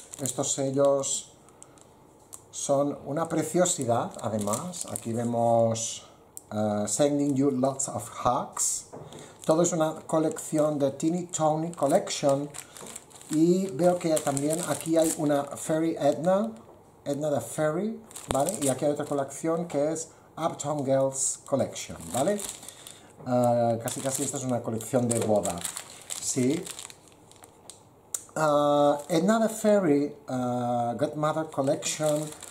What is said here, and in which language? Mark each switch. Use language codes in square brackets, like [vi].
[es] Estos sellos son una preciosidad, además. Aquí vemos. [en] Sending you lots of hugs. [es] Todo es una colección de Tiny Tony Collection. Y veo que también aquí hay una Fairy Edna. Edna the Fairy, ¿vale? Y aquí hay otra colección que es Uptown Girls Collection, ¿vale? Casi casi esta es una colección de boda. Sí. [en] Edna the Fairy, Godmother Collection.